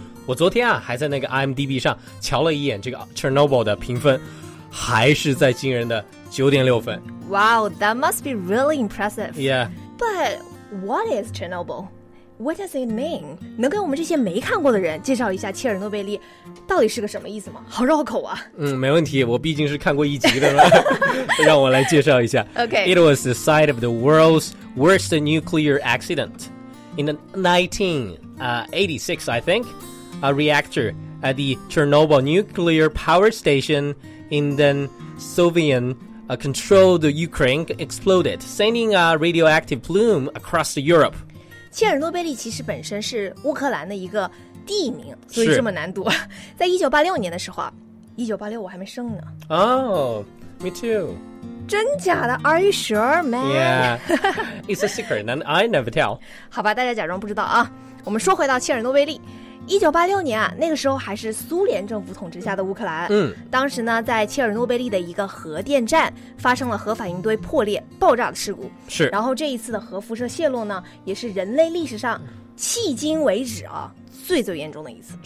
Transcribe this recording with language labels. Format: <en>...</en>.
<zh>我昨天啊还在那个 IMDB 上瞧了一眼这个 Chernobyl 的评分，还是在惊人的 9.6 分。</zh> <en>Wow, that must be really impressive. Yeah. But what is Chernobyl? What does it mean?</en> <zh>能给我们这些没看过的人介绍一下切尔诺贝利到底是个什么意思吗？好绕口啊。没问题，我毕竟是看过一集的嘛。让我来介绍一下。</zh> <en>Okay. It was the site of the world's worst nuclear accident in the 1986, I think. A reactor at the Chernobyl nuclear power station in the Soviet-controlled Ukraine exploded, sending a radioactive plume across Europe.</en> <zh>切尔诺贝利其实本身是乌克兰的一个地名，所以这么难读。在1986年的时候，1986我还没生呢。</zh> <en>Oh, me too.</en> <zh>真假的</zh> <en>？Are you sure, man? Yeah, it's a secret, and I never tell.</en> <zh>好吧，大家假装不知道啊。我们说回到切尔诺贝利。1986年啊，那个时候还是苏联政府统治下的乌克兰。当时呢，在切尔诺贝利的一个核电站发生了核反应堆破裂爆炸的事故。是。然后这一次的核辐射泄漏呢，也是人类历史上迄今为止啊最最严重的一次。</zh>